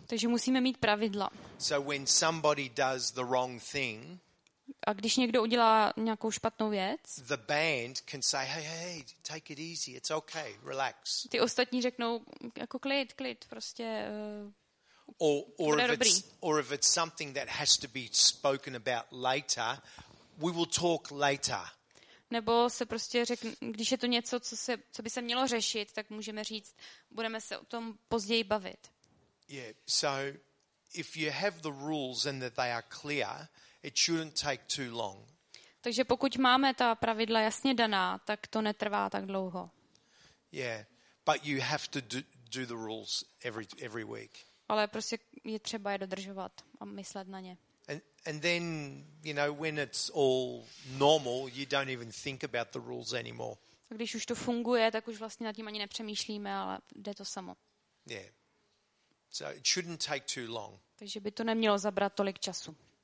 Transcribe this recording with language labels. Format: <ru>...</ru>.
<cs>Takže musíme mít pravidla.</cs> <en>So when somebody does the wrong thing.</en> <cs>A když někdo udělá nějakou špatnou věc,</cs> <en>the band can say, hey, take it easy, it's okay, relax.</en> <cs>Ty ostatní řeknou jako klid, prostě.</cs> <en>Or if it's something that has to be spoken about later, we will talk later.</en> <cs>nebo se prostě řekne, když je to něco, co by se mělo řešit, tak můžeme říct, budeme se o tom později bavit.</cs> <en>Yeah, so if you have the rules and that they are clear, it shouldn't take too long.</en> <cs>Takže pokud máme ta pravidla jasně daná, tak to netrvá tak dlouho.</cs> <en>Yeah, but you have to do the rules every week.</en> <cs>Ale prostě je třeba je dodržovat a myslet na ně.</cs> <en>And then, you know, when it's all normal, you don't even think about the rules anymore.</en> <cs>A když už to funguje, tak už vlastně nad tím ani nepřemýšlíme, ale jde to samo.</cs> <en>Yeah. So it shouldn't take too long.</en> <cs>Takže by to nemělo zabrat tolik času.</cs>